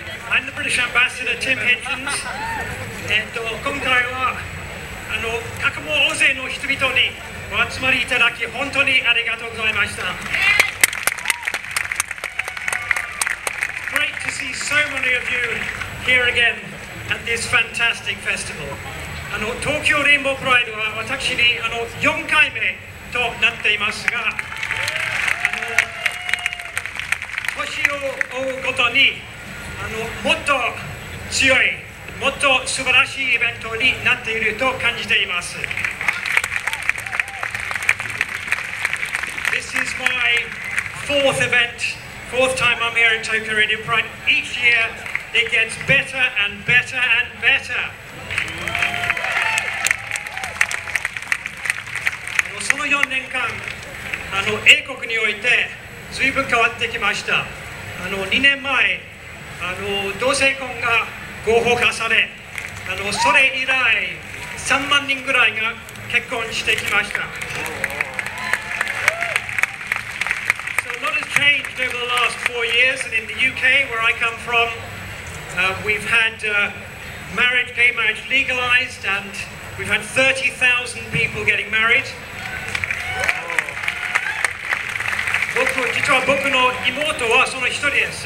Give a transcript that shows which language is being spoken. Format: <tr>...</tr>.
<en>I'm the British Ambassador Tim Hitchens.</en> <ja>今回はあの各国大勢の人々にお集まりいただき本当にありがとうございました。</ja> <en>Great to see so many of you here again at this fantastic festival.</en> <ja>あの東京レインボープライドは私にあの4回目となっていますが、年を追うごとにあのもっと強い、もっと素晴らしいイベントになっていると感じています。</ja> <en>This is my fourth event, fourth time I'm here in Tokyo Radio Pride. Each year it gets better and better and better.</en> <ja>その4年間、あの英国において随分変わってきました。あの2年前、あの同性婚が合法化され、あのそれ以来3万人ぐらいが結婚してきました。</ja> <en>So a lot has changed over the last 4 years, and in the UK where I come from, we've had gay marriage legalized, and we've had 30,000 people getting married.</en> <ja>実は僕の妹はその一人です。</ja>